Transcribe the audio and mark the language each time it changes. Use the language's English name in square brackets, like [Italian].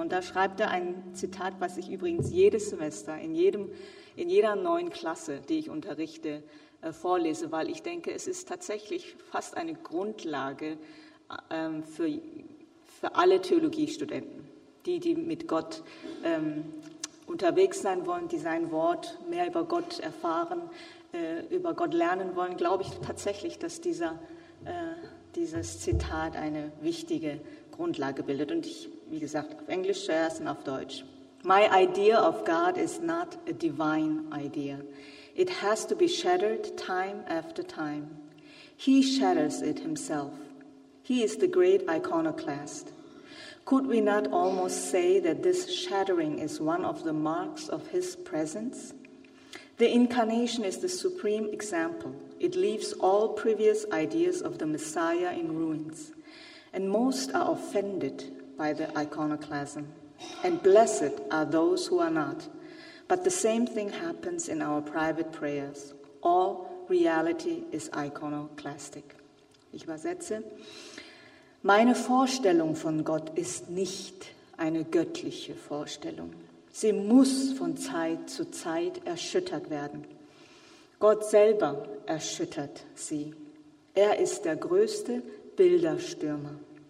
[German] Und da schreibt er ein Zitat, was ich übrigens jedes Semester in jeder neuen Klasse, die ich unterrichte, vorlese, weil ich denke, es ist tatsächlich fast eine Grundlage für alle Theologiestudenten, die mit Gott unterwegs sein wollen, die sein Wort mehr über Gott erfahren, über Gott lernen wollen, glaube ich tatsächlich, dass dieses Zitat eine wichtige Grundlage bildet. Und ich, wie gesagt, auf Englisch zuerst und auf Deutsch. [English] My idea of God is not a divine idea. It has to be shattered time after time. He shatters it himself. He is the great iconoclast. Could we not almost say that this shattering is one of the marks of his presence? The incarnation is the supreme example. It leaves all previous ideas of the Messiah in ruins. And most are offended by the iconoclasm. And blessed are those who are not. But the same thing happens in our private prayers. All reality is iconoclastic. [German] Ich übersetze. Meine Vorstellung von Gott ist nicht eine göttliche Vorstellung. Sie muss von Zeit zu Zeit erschüttert werden. Gott selber erschüttert sie. Er ist der größte Bilderstürmer.